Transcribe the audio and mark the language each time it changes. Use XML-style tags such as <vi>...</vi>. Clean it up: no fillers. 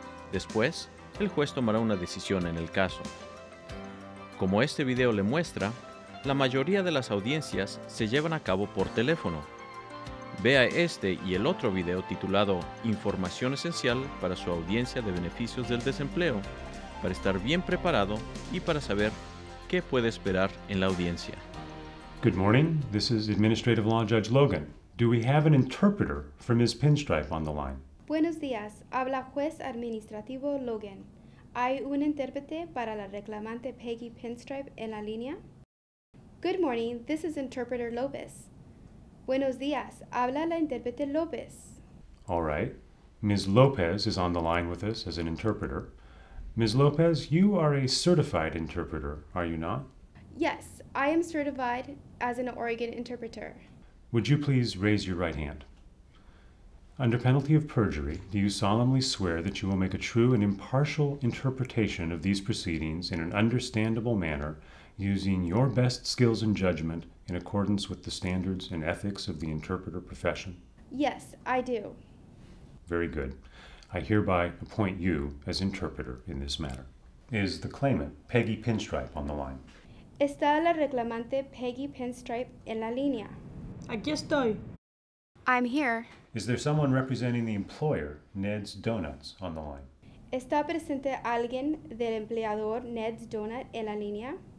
<es>Después, el juez tomará una decisión en el caso. Como este video le muestra, la mayoría de las audiencias se llevan a cabo por teléfono. Vea este y el otro video titulado Información esencial para su audiencia de beneficios del desempleo, para estar bien preparado y para saber qué puede esperar en la audiencia.</es> <en>Good morning, this is Administrative Law Judge Logan. Do we have an interpreter for Ms. Pinstripe on the line?</en> <es>Buenos días, habla juez administrativo Logan. ¿Hay un intérprete para la reclamante Peggy Pinstripe en la línea?</es> <en>Good morning, this is interpreter Lopez.</en> <es>Buenos días, habla la intérprete Lopez.</es> <en>All right, Ms. Lopez is on the line with us as an interpreter. Ms. Lopez, you are a certified interpreter, are you not? Yes, I am certified as an Oregon interpreter. Would you please raise your right hand? Under penalty of perjury, do you solemnly swear that you will make a true and impartial interpretation of these proceedings in an understandable manner, using your best skills and judgment in accordance with the standards and ethics of the interpreter profession? Yes, I do. Very good. I hereby appoint you as interpreter in this matter. Is the claimant, Peggy Pinstripe, on the line?</en> <es>¿Está la reclamante Peggy Pinstripe en la línea? Aquí estoy.</es> <en>I'm here. Is there someone representing the employer, Ned's Donuts, on the line?</en> <es>¿Está presente alguien del empleador Ned's Donut en la línea?</es>